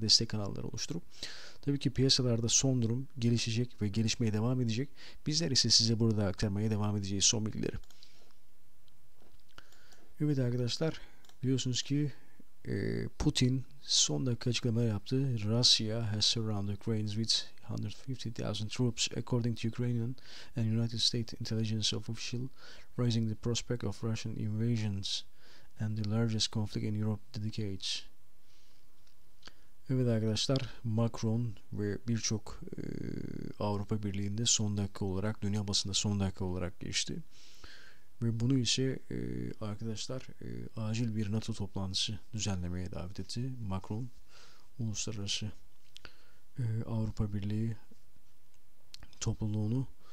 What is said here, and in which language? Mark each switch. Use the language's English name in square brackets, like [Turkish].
[Turkish] Destek kanalları oluşturup tabii ki piyasalarda son durum gelişecek ve gelişmeye devam edecek. Bizler ise size burada aktarmaya devam edeceğiz son bilgileri. Evet arkadaşlar, biliyorsunuz ki Putin son dakika açıklama yaptı. [English] Russia has surrounded Ukraine with 150,000 troops according to Ukrainian and United States intelligence official, raising the prospect of Russian invasions and the largest conflict in Europe in decades. [Turkish] Evet arkadaşlar, Macron ve birçok Avrupa Birliği'nde son dakika olarak, dünya basında son dakika olarak geçti. Ve bunu ise arkadaşlar acil bir NATO toplantısı düzenlemeye davet etti. Macron, Uluslararası Avrupa Birliği topluluğunu.